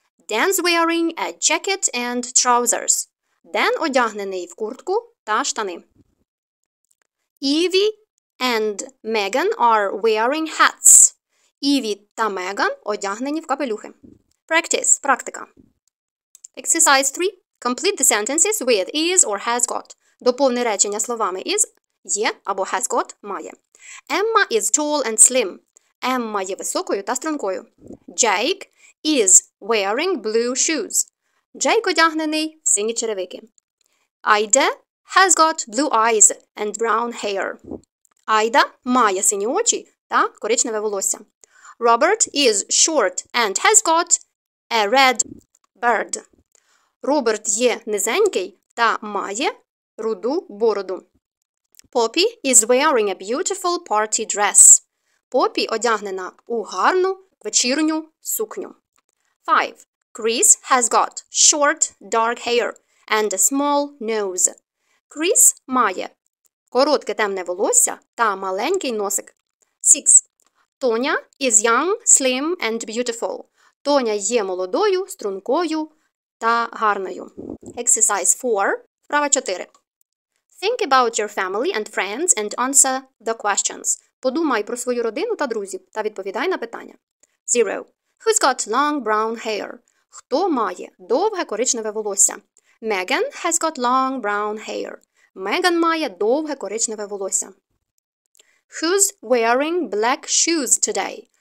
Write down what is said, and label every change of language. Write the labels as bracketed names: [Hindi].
[English] Dan's wearing a jacket and trousers. [Ukrainian] Dan одягнений в куртку та штани. [English] Evie and Megan are wearing hats. [Ukrainian] Evie та Меган одягнені в капелюхи. [English] Practice, [Ukrainian] практика. [English] Exercise 3. Complete the sentences with is or has got. [Ukrainian] Доповни речення словами is, є або has got, має. [English] Emma is tall and slim. [Ukrainian] Emma є високою та стрункою. [English] Jake is wearing blue shoes. [Ukrainian] Jake одягнений в сині черевики. [English] Ida has got blue eyes and brown hair. [Ukrainian] Ida має сині очі та коричневе волосся. [English] Robert is short and has got a red beard. [Ukrainian] Роберт є низенький та має руду бороду. [English] Poppy is wearing a beautiful party dress. [Ukrainian] Poppy одягнена у гарну вечірню сукню. [English] 5. Chris has got short dark hair and a small nose. [Ukrainian] Chris має коротке темне волосся та маленький носик. [English] 6. Tonya is young, slim and beautiful. [Ukrainian] Тоня є молодою, стрункою та гарною. [English] Exercise 4, [Ukrainian] вправа 4. [English] Think about your family and friends and answer the questions. [Ukrainian] Подумай про свою родину та друзів та відповідай на питання. [English] 0. Who's got long brown hair? [Ukrainian] Хто має довге коричневе волосся? [English] Megan has got long brown hair. [Ukrainian] Меган має довге коричневе волосся. [English] Who's wearing black shoes today?